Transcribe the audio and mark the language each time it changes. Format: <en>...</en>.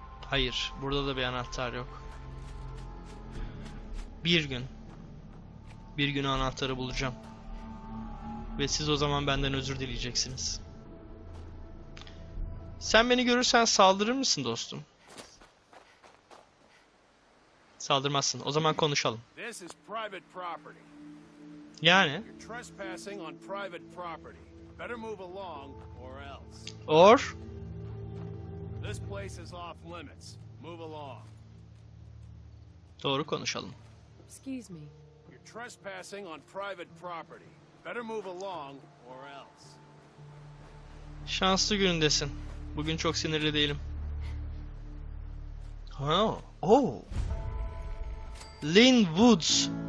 <tr>Hayır, burada da bir anahtar yok. Bir gün. Bir gün anahtarı bulacağım. Ve siz o zaman benden özür dileyeceksiniz. Sen beni görürsen saldırır mısın dostum? Saldırmazsın. O zaman konuşalım.</tr> <en>This is private property.</en> <tr>Yani.</tr> <en>You're trespassing on private property. Better move along or else. Or. This place is off limits. Move along.</en> <tr>Doğru konuşalım.</tr> <en>Excuse me. You're trespassing on private property. Better move along or else.</en> <tr>Şanslı günündesin. Bugün çok sinirli değilim. Ha, oh. Lynn Woods.</tr>